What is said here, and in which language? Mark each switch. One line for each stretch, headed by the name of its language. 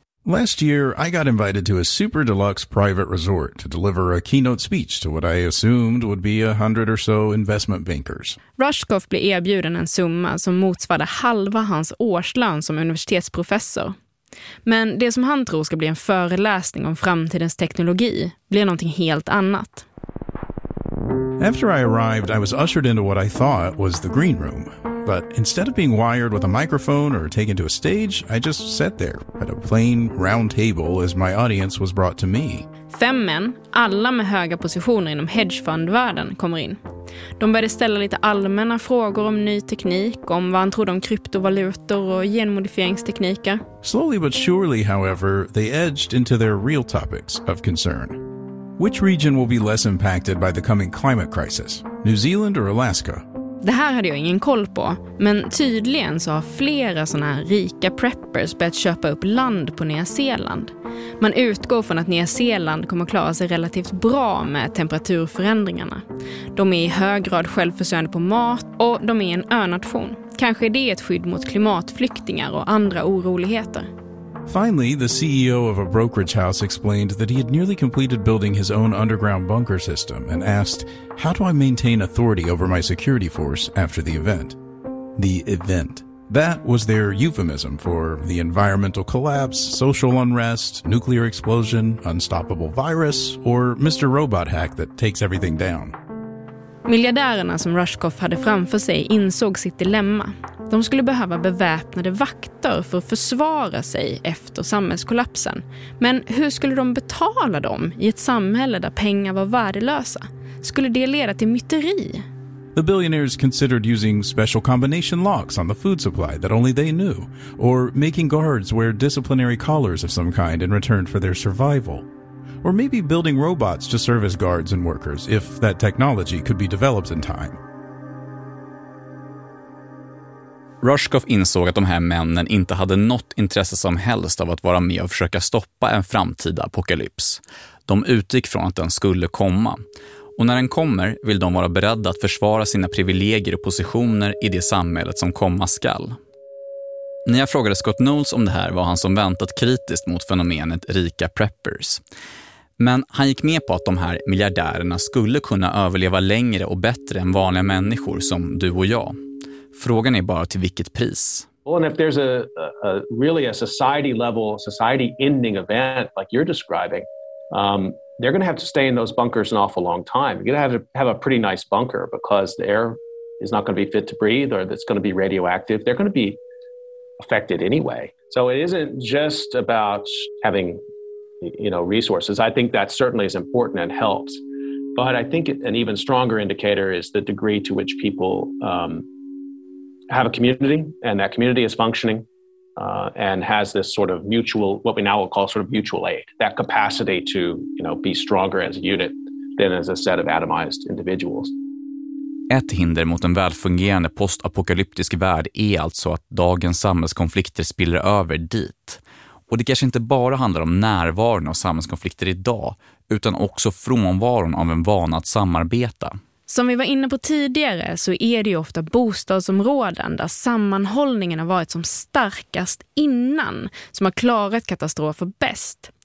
English: Last year, I got invited to a super deluxe private resort to deliver a keynote speech to what I assumed would be 100 or so investment bankers.
Swedish: Rushkoff blev erbjuden en summa som motsvarade halva hans årslön som universitetsprofessor. Men det som han tror ska bli en föreläsning om framtidens teknologi blir någonting helt annat.
English: After I arrived, I was ushered into what I thought was the green room. But instead of being wired with a microphone or taken to a stage, I just sat there at a plain round table as my audience was brought to me.
Swedish: Fem män, alla med höga positioner inom hedgefundvärlden, kommer in. De började ställa lite allmänna frågor om ny teknik, om vad han trodde om kryptovalutor och genmodifieringstekniker.
English: Slowly but surely, however, they edged into their real topics of concern. Which region will be less impacted by the coming climate crisis? New Zealand or Alaska?
Swedish: Det här hade jag ingen koll på, men tydligen så har flera såna här rika preppers börjat köpa upp land på Nya Zeeland. Man utgår från att Nya Zeeland kommer att klara sig relativt bra med temperaturförändringarna. De är i hög grad självförsörjande på mat och de är en önation. Kanske är det ett skydd mot klimatflyktingar och andra oroligheter.
English: Finally, the CEO of a brokerage house explained that he had nearly completed building his own underground bunker system and asked, "How do I maintain authority over my security force after the event?" The event. That was their euphemism for the environmental collapse, social unrest, nuclear explosion, unstoppable virus, or Mr. Robot hack that takes everything down.
Swedish: Miljardärerna som Rushkoff hade framför sig insåg sitt dilemma. De skulle behöva beväpnade vakter för att försvara sig efter samhällskollapsen. Men hur skulle de betala dem i ett samhälle där pengar var värdelösa? Skulle det leda till myteri?
English: The billionaires considered using special combination locks on the food supply that only they knew, or making guards wear disciplinary collars of some kind in return for their survival. Or maybe building robots to serve as guards and workers if that technology could be developed in time.
Swedish: Rushkoff insåg att de här männen inte hade något intresse som helst av att vara med och försöka stoppa en framtida apokalyps. De utgick från att den skulle komma. Och när den kommer vill de vara beredda att försvara sina privilegier och positioner i det samhället som komma skall. När jag frågade Scott Knowles om det här var han som väntat kritiskt mot fenomenet rika preppers. Men han gick med på att de här miljardärerna skulle kunna överleva längre och bättre än vanliga människor som du och jag. Frågan är bara till vilket pris.
English: Well, and if there's a really a society level, society ending event like you're describing, they're going to have to stay in those bunkers an awful long time. You're going to have a pretty nice bunker because the air is not going to be fit to breathe or it's going to be radioactive. They're going to be affected anyway. So it isn't just about having, you know, resources. I think that certainly is important and helps. But I think an even stronger indicator is the degree to which people have a community, and that community is functioning and has this sort of mutual, what we now will call sort of mutual aid, that capacity to, you know, be stronger as a unit than as a set of atomized individuals.
Swedish: Ett hinder mot en välfungerande postapokalyptisk värld är alltså att dagens samhällskonflikter spiller över dit. Och det kanske inte bara handlar om närvaron av samhällskonflikter idag, utan också frånvaron av en vana att samarbeta. Som vi var inne på tidigare så är det ju ofta bostadsområden där sammanhållningen har varit som starkast innan som har klarat katastrofer bäst.